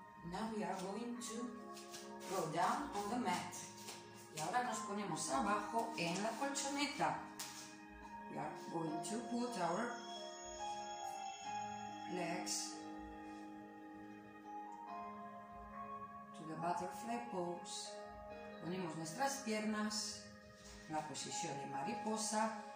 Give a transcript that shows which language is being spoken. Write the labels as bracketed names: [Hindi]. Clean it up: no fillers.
[English] Now we are going to go down on the mat. [Spanish] Y ahora nos ponemos abajo en la colchoneta. [English] We are going to put our legs to the butterfly pose. [Spanish] Ponemos nuestras piernas en la posición de mariposa.